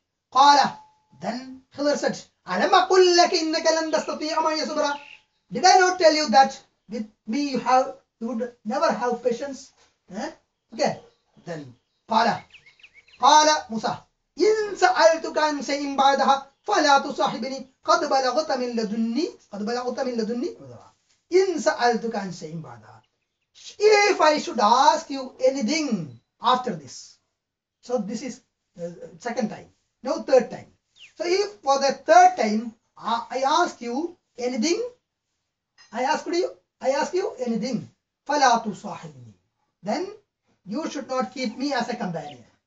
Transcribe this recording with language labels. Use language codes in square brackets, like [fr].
[ar] قَالَ [en] Then Khidr said, [ar] ألم أقول لك إنك لن تستطيع معي صبرا. [en] Did I not tell you that with me you would never have patience? Okay. [ar] Then قال موسى إن سألتك عن شيء بعدها فلا تصاحبني قد بلغت من لدني عذرا. إن سألتك عن شيء بعدها. [en] If I should ask you anything after this. So this is second time. Now third time. So if for the third time I ask you anything, [ar] فَلَا تُصَاحِبْنِي [en] Then you should not keep me as a companion.